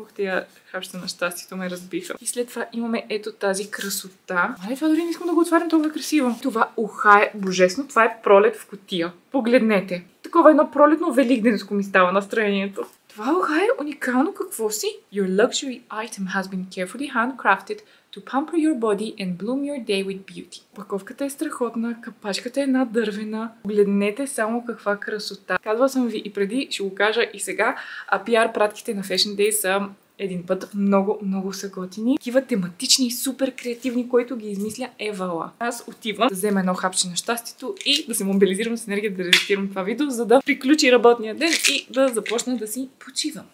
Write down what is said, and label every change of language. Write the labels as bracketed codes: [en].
[bg] Ох, тия хапчета на щастието ме разбиха. И след това имаме ето тази красота. Мале, това дори не искам да го отварям толкова красиво. Това уха е божествено. Това е пролет в кутия. Погледнете. Такова едно пролетно великденско ми става настроението. Това уха е уникално, какво си? [en] Your luxury item has been carefully handcrafted to pamper your body and bloom your day with beauty. [bg] Паковката е страхотна, капачката е една дървена. Гледнете само каква красота. Казвала съм ви и преди, ще го кажа и сега. А PR пратките на Fashion Day са един път много, много са готини. Такива тематични, супер креативни, които ги измисля Евала. Аз отивам да взема едно хапче на щастието и да се мобилизирам с енергия да редактирам това видео, за да приключи работния ден и да започна да си почивам.